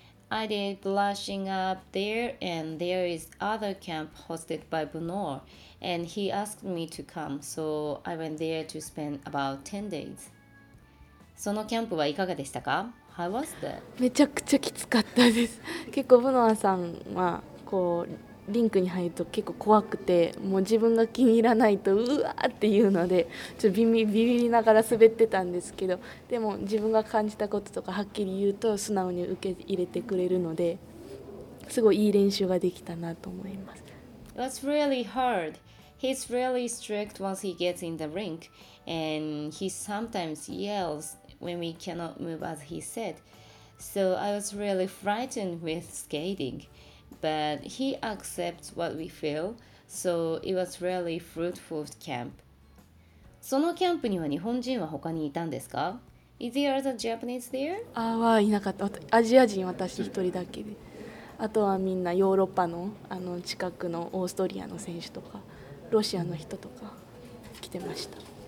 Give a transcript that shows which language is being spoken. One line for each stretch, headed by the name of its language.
English: I did blushing up there and there is other camp hosted by Benoit. And he asked me to come, so I went there to spend about 10 days.
Japanese: そのキャンプはいかがでしたか?
English: How was that?
Japanese: めちゃくちゃきつかったです。結構ブノアさんはこうリンクに入ると結構怖くて、もう自分が気に入らないとうわーっていうので、ちょっとビビりながら滑ってたんですけど、でも自分が感じたこととかはっきり言うと素直に受け入れてくれるので、すごいいい練習ができたなと思います。
English: It was really hard. He's really strict once he gets in the rink, and he sometimes yells when we cannot move as he said. So I was really frightened with skating, but he accepts what we feel, so it was really fruitful camp.
Japanese: そのキャンプには日本人は他にいたんですか?
English: Is there other Japanese there?
Japanese: はいなかった。アジア人私一人だけで。あとはみんなヨーロッパの近くのオーストリアの選手とかロシアの人とか来てました。